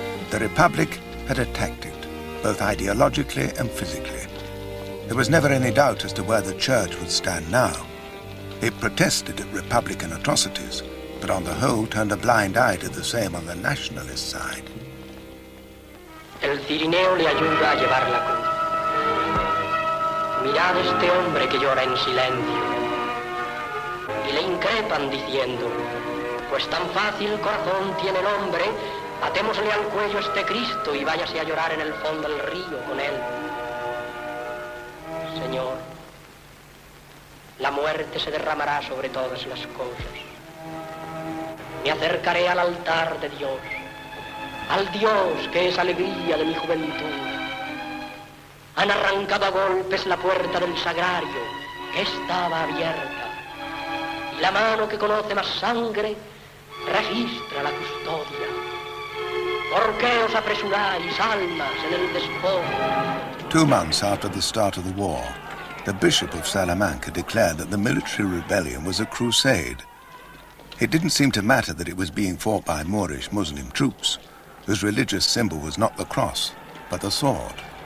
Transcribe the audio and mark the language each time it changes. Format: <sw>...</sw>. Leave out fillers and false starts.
<en>The Republic had attacked it, both ideologically and physically. There was never any doubt as to where the church would stand now. It protested at Republican atrocities, but on the whole turned a blind eye to the same on the nationalist side.</en> <es>El Cirineo le ayuda a llevar la cruz. Mirad este hombre que llora en silencio. Y le increpan diciendo, pues tan fácil corazón tiene el hombre, atémosle al cuello este Cristo y váyase a llorar en el fondo del río con él. Señor, la muerte se derramará sobre todas las cosas. Me acercaré al altar de Dios, al Dios que es alegría de mi juventud. Han arrancado a golpes la puerta del sagrario que estaba abierta. Y la mano que conoce más sangre registra la custodia. ¿Por qué os apresuráis, almas, en el despojo?</es> <en>2 months after the start of the war, the Bishop of Salamanca declared that the military rebellion was a crusade. It didn't seem to matter that it was being fought by Moorish Muslim troops, whose religious symbol was not the cross, but the sword.</en>